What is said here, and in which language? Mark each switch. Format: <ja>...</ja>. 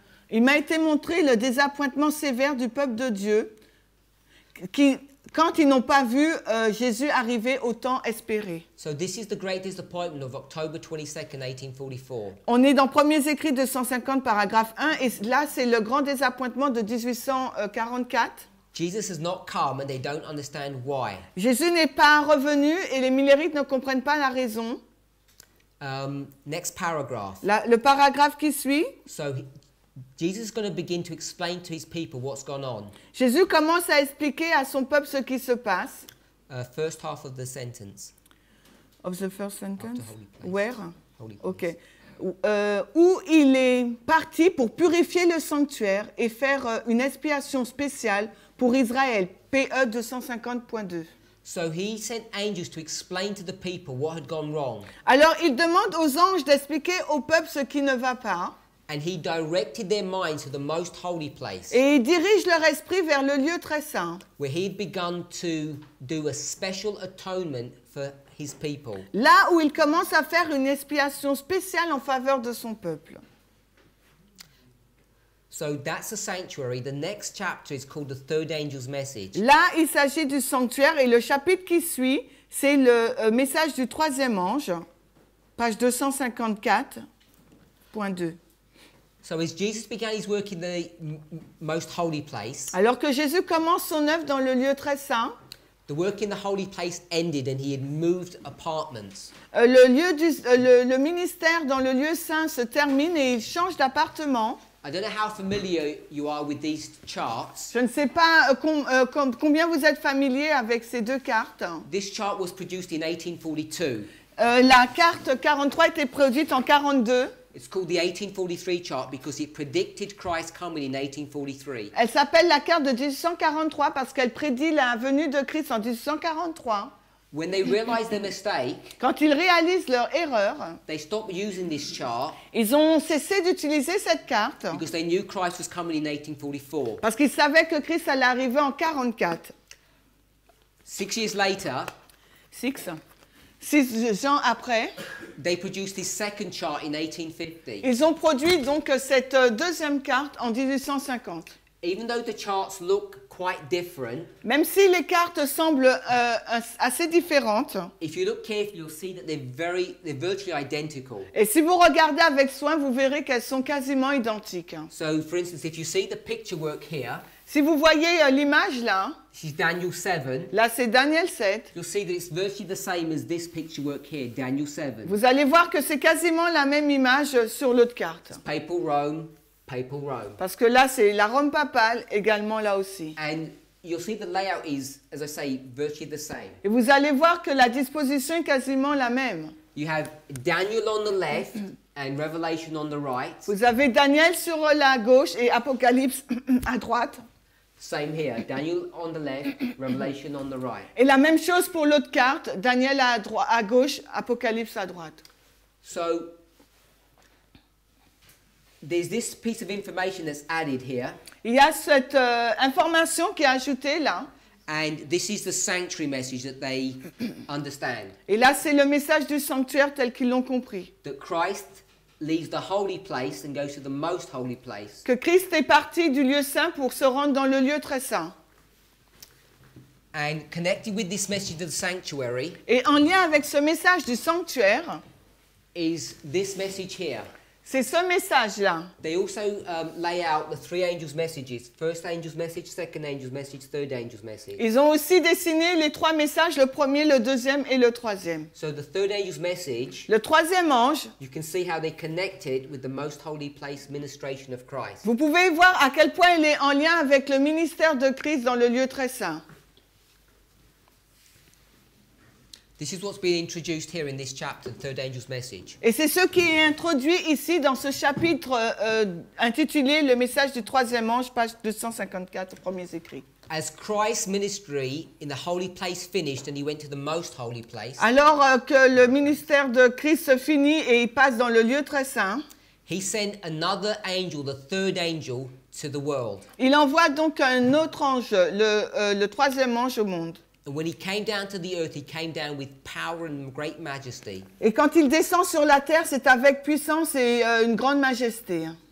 <fr>Il m'a été montré le désappointement sévère du peuple de Dieu qui quand ils n'ont pas vu Jésus arriver au temps espéré.</fr> <en>So this is the great disappointment of October 22nd, 1844.</en> <fr>On est dans Premiers Écrits 250, paragraphe 1, et là, c'est le grand désappointement de 1844.</fr> <en>Jesus has not come and they don't understand why.</en> <fr>Jésus n'est pas revenu et les Millerites ne comprennent pas la raison.</fr> <en>Next paragraph.</en> <fr>Le paragraphe qui suit.</fr> <en>So Jesus is going to begin to explain to his people what's gone on.</en> <fr>Jésus commence à expliquer à son peuple ce qui se passe.</fr> <en>First half of the sentence. Of the first sentence? Holy place. Where? Holy place. Okay.</en> <fr>Où il est parti pour purifier le sanctuaire et faire une expiation spéciale pour Israël.</fr> <en>PE 250.2. So he sent angels to explain to the people what had gone wrong.</en> <fr>Alors il demande aux anges d'expliquer au peuple ce qui ne va pas.</fr> <en>And he directed their minds to the most holy place.</en> <fr>Et il dirige leur esprit vers le lieu très saint.</fr> <en>Where he had begun to do a special atonement for his people.</en> <fr>Là où il commence à faire une expiation spéciale en faveur de son peuple.</fr> <en>So that's the sanctuary. The next chapter is called the third angel's message.</en> <fr>Là, il s'agit du sanctuaire et le chapitre qui suit, c'est le message du troisième ange.</fr> <en>Page 254.2. So as Jesus began his work in the most holy place,</en> <fr>alors que Jésus commence son œuvre dans le lieu très saint,</fr> <en>The work in the holy place ended and he had moved apartments.</en> <fr>Le ministère dans le lieu saint se termine et il change d'appartement.</fr> <en>I don't know how familiar you are with these charts.</en> <fr>Je ne sais pas combien vous êtes familier avec ces deux cartes.</fr> <en>This chart was produced in 1842.</en> <fr>La carte 43 était produite en 42.</fr> <en>It's called the 1843 chart because it predicted Christ coming in 1843.</en> <fr>Elle s'appelle la carte de 1843 parce qu'elle prédit la venue de Christ en 1843.</fr> <en>When they realize their mistake,</en> <fr>quand ils réalisent leur erreur,</fr> <en>they stop using this chart.</en> <fr>Ils ont cessé d'utiliser cette carte</fr> <en>because they knew Christ was coming in 1844.</en> <fr>Parce qu'ils savaient que Christ allait arriver en 44.</fr> <en>6 years later,</en> <fr>six ans après,</fr> <en>they produced this second chart in 1850.</en> <fr>Ils ont produit donc cette deuxième carte en 1850.</fr> <en>Even though the charts look quite different,</en> <fr>même si les cartes semblent assez différentes,</fr> <en>if you look carefully, you'll see that they're virtually identical.</en> <fr>Et si vous regardez avec soin, vous verrez qu'elles sont quasiment identiques.</fr> <en>So, for instance, if you see the picture work here,</en> <fr>si vous voyez l'image là,</fr> <en>this is Daniel 7.</en> <fr>Là, c'est Daniel 7.</fr> <en>You'll see that it's virtually the same as this picture work here, Daniel 7.</en> <fr>Vous allez voir que c'est quasiment la même image sur l'autre carte.</fr> <en>It's papal Rome, papal Rome.</en> <fr>Parce que là, c'est la Rome papale également là aussi.</fr> <en>And you'll see the layout is, as I say, virtually the same.</en> <fr>Et vous allez voir que la disposition est quasiment la même.</fr> <en>You have Daniel on the left and Revelation on the right.</en> <fr>Vous avez Daniel sur la gauche et Apocalypse à droite.</fr> <en>Same here, Daniel on the left, Revelation on the right.</en> <fr>Et la même chose pour l'autre carte, Daniel à gauche, Apocalypse à droite.</fr> <en>So, there's this piece of information that's added here.</en> <fr>Il y a cette information qui est ajoutée là.</fr> <en>And this is the sanctuary message that they understand.</en> <fr>Et là, c'est le message du sanctuaire tel qu'ils l'ont compris.</fr> <en>That Christ leaves the holy place and goes to the most holy place.</en> <fr>Que Christ est parti du lieu saint pour se rendre dans le lieu très saint.</fr> <en>And connected with this message of the sanctuary.</en> <fr>Et en lien avec ce message du sanctuaire.</fr> <en>Is this message here?</en> <fr>C'est ce message là.</fr> <en>They also lay out the three angels' messages: first angel's message, second angel's message, third angel's message.</en> <fr>Ils ont aussi dessiné les trois messages: le premier, le deuxième et le troisième.</fr> <en>So the third angel's message.</en> <fr>Le troisième ange.</fr> <en>You can see how they connected with the most holy place ministration of Christ.</en> <fr>Vous pouvez voir à quel point il est en lien avec le ministère de Christ dans le lieu très saint.</fr> <en>This is what's being introduced here in this chapter, the third angel's message.</en> <fr>Et c'est ce qui est introduit ici dans ce chapitre intitulé le message du troisième ange, page 254, premiers écrits.</fr> <en>As Christ's ministry in the holy place finished and he went to the most holy place.</en> <fr>Alors que le ministère de Christ se finit et il passe dans le lieu très saint.</fr> <en>He sent another angel, the third angel, to the world.</en> <fr>Il envoie donc un autre ange, le troisième ange au monde.</fr> <en>And when he came down to the earth, he came down with power and great majesty.</en> <fr>Et quand il descend sur la terre, c'est avec puissance et une grande majesté.</fr>